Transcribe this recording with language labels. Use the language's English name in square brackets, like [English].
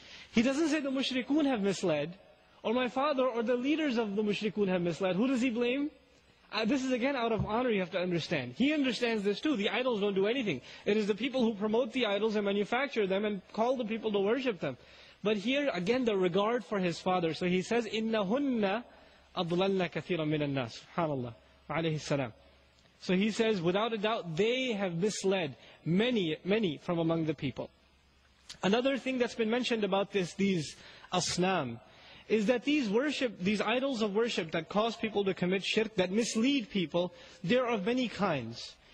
[English] He doesn't say the mushrikeen have misled, or my father or the leaders of the mushrikeen have misled. Who does he blame? This is again out of honor, you have to understand. He understands this too. The idols don't do anything. It is the people who promote the idols and manufacture them and call the people to worship them. But here again, the regard for his father. So he says, [Arabic] إِنَّهُنَّ أَضْلَلْنَا كَثِيرًا مِنَ النَّاسِ. SubhanAllah. عَلَيْهِ السَّلَامِ. [English] So he says, without a doubt, they have misled many, many from among the people. Another thing that's been mentioned about this, these asnam, is that these idols of worship that cause people to commit shirk, that mislead people, they're of many kinds.